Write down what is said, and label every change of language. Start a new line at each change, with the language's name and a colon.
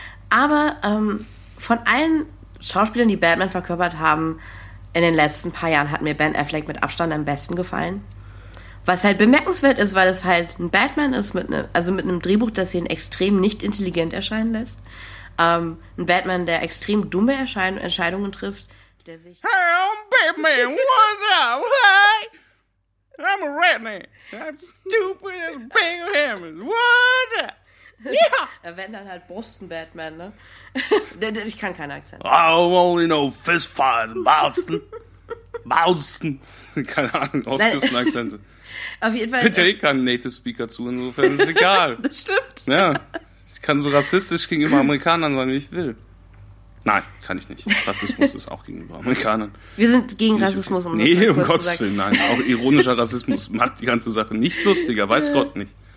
German: Aber von allen Schauspielern, die Batman verkörpert haben in den letzten paar Jahren, hat mir Ben Affleck mit Abstand am besten gefallen. Was halt bemerkenswert ist, weil es halt ein Batman ist mit einem Drehbuch, das ihn extrem nicht intelligent erscheinen lässt. Ein Batman, der extrem dumme Entscheidungen trifft, der sich...
English: Hey, I'm Batman, what's up, hey? I'm a redman, I'm stupid as big hammers, what's up? Yeah.
German: Wenn dann halt Boston-Batman, ne? Ich kann keinen Akzent.
English: I only know fistfights, Boston. Boston.
German: Keine Ahnung, Ostküsten-Akzente. Auf jeden Fall... Bitte, ich kann Native Speaker zu, insofern ist egal. Das stimmt. Ja. Ich kann so rassistisch gegenüber Amerikanern sein, wie ich will. Nein, kann ich nicht. Rassismus ist auch gegenüber Amerikanern. Wir sind gegen Rassismus. Um Gottes Willen, nein. Auch ironischer Rassismus macht die ganze Sache nicht lustiger, weiß Gott nicht.